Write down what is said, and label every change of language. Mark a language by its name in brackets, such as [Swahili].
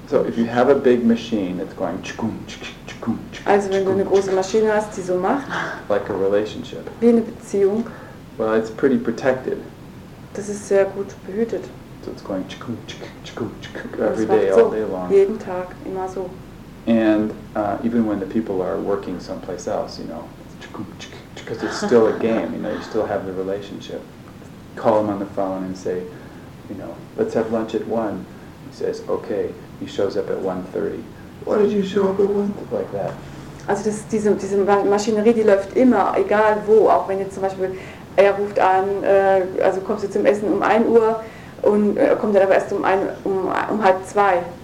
[English] So if you have a big machine, it's going tschkum, tschkum, tschkum. [German] Also wenn du eine große Maschine hast, die so macht. [English] Like a relationship. [German] Wie eine Beziehung. [English] Well, it's pretty protected. [German] Das ist sehr gut behütet. [English] So it's going chikum, chikum, chikum, chikum, every day, all day long. [German] Jeden Tag, immer so. [English] And even when the people are working someplace else, you know, because it's still a game, you know, you still have the relationship. Call him on the phone and say, you know, let's have lunch at 1. He says, okay. He shows up at 1:30. Why did you show up at 1:30? Like that. [German] Also das, diese Maschinerie, die läuft immer, egal wo, auch wenn jetzt zum Beispiel er ruft an, also kommst du zum Essen um 1 Uhr und kommt dann aber erst um 1:30.